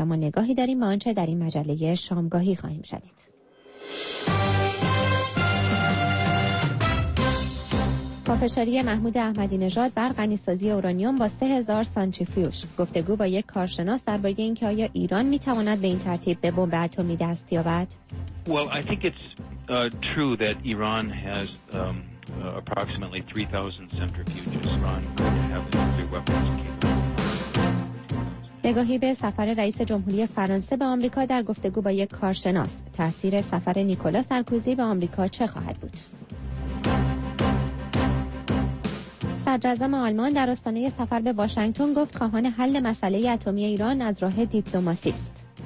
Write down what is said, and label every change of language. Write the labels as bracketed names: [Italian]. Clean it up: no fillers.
[Persian] اما نگاهی داریم به آنچه در این مجله شامگاهی خواهیم شنید. پافشاری محمود احمدی نژاد بر غنی‌سازی اورانیوم با 3000 سانتریفیوژ. گفتگو با یک کارشناس درباره اینکه آیا ایران می‌تواند به این ترتیب به بمب اتمی دست یابد. [English] Well, I think it's true that Iran has approximately 3000 centrifuges running [Persian] نگاهی به سفر رئیس جمهوری فرانسه به آمریکا در گفتگو با یک کارشناس. تأثیر سفر نیکولا سارکوزی به آمریکا چه خواهد بود؟ صدر اعظم آلمان در آستانه سفر به واشنگتن گفت خواهان حل مسئله اتمی ایران از راه دیپلماسی است.